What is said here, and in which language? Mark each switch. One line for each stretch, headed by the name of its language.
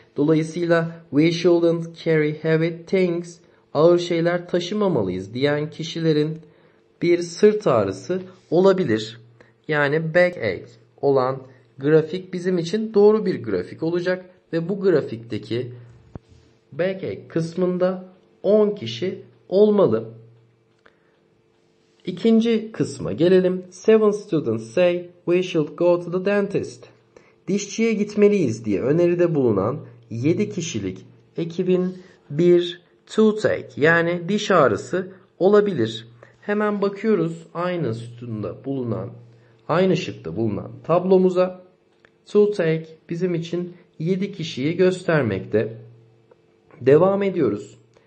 Turkish: Dolayısıyla
English: we shouldn't carry heavy things,
Turkish: ağır şeyler taşımamalıyız diyen kişilerin bir sırt ağrısı olabilir. Yani backache olan grafik bizim için doğru bir grafik olacak ve bu grafikteki backache kısmında 10 kişi olmalı. İkinci kısma gelelim.
English: 7 students say we should go to the dentist.
Turkish: Dişçiye gitmeliyiz diye öneride bulunan 7 kişilik ekibin bir toothache yani diş ağrısı olabilir. Hemen bakıyoruz aynı sütunda bulunan, aynı şıkta bulunan tablomuza. Toothache bizim için 7 kişiyi göstermekte. Devam ediyoruz.